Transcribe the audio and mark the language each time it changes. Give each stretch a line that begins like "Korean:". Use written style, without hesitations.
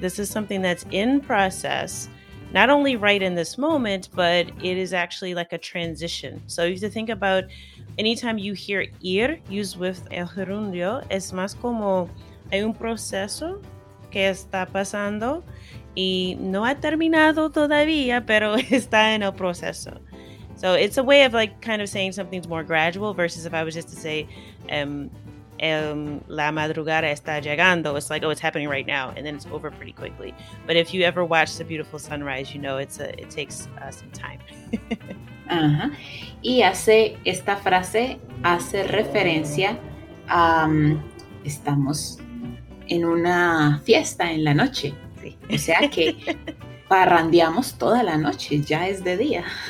English: This is something that's in process, not only right in this moment, but it is actually like a transition. So you have to think about anytime you hear ir used with
Spanish: el gerundio, es más como hay un proceso que está pasando y no ha terminado todavía, pero está en el proceso.
English: So it's a way of like kind of saying something's more gradual versus if I was just to say
Spanish: la madrugada está llegando.
English: It's like, oh, it's happening right now, and then it's over pretty quickly. But if you ever watch the beautiful sunrise, you know it takes some time.
Spanish: Uh-huh. Y hace esta frase hace referencia a estamos en una fiesta en la noche. Sí. O sea que parrandeamos toda la noche. Ya es de día.